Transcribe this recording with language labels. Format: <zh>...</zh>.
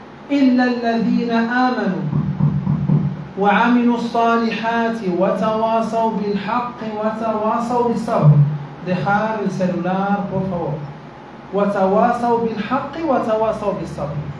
<ar>إلا الذين آمنوا وعملوا الصالحات وتواصوا بالحق وتواصوا بالصبر.</ar> <es>Dejar el celular, por favor.</es> <ar>وتواصوا بالحق وتواصوا بالصبر.</ar>